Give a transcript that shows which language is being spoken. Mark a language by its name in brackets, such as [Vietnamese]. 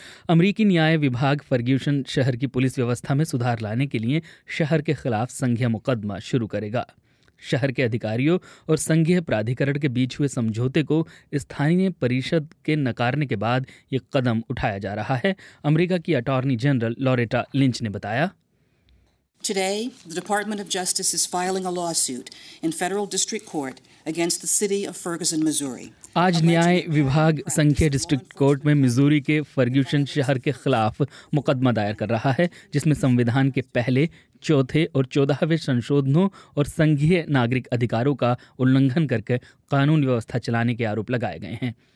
[Hindi] अमरीकी न्याय विभाग फर्ग्यूसन शहर की पुलिस व्यवस्था में सुधार लाने के लिए शहर के खिलाफ संघीय मुकदमा शुरू करेगा। शहर के अधिकारियों और संघीय प्राधिकरण के बीच हुए समझौते को स्थानीय परिषद के नकारने के बाद ये कदम उठाया जा रहा है, अमरीका की अटॉर्नी जनरल लॉरेटा लिंच ने बताया। [English] Today, the Department of Justice is filing a lawsuit in federal district court against the city of Ferguson, Missouri. [Hindi] आज न्याय विभाग संघीय डिस्ट्रिक्ट कोर्ट में मिजूरी के फर्ग्यूसन शहर के खिलाफ मुकदमा दायर कर रहा है, जिसमें संविधान के पहले, चौथे और 14वें संशोधनों और संघीय नागरिक अधिकारों का उल्लंघन करके कानून व्यवस्था चलाने के आरोप लगाए गए हैं।